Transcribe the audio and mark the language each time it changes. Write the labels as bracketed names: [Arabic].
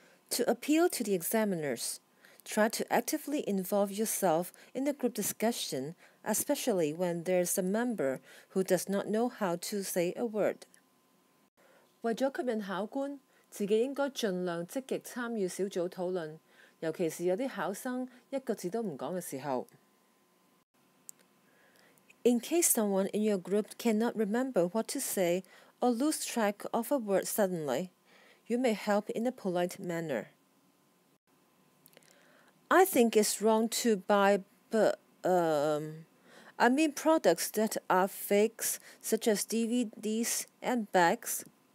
[English] To appeal to the examiners, try to actively involve yourself in the group discussion, especially when there's a member who does not know how to say a word。 [Cantonese] 為咗吸引考官，自己應該盡量積極參與小組討論，尤其是有啲考生一個字都唔講嘅時候。 [English] In case someone in your group cannot remember what to say or lose track of a word suddenly, you may help in a polite manner. I think it's wrong to buy products that are fakes, such as DVDs and bags.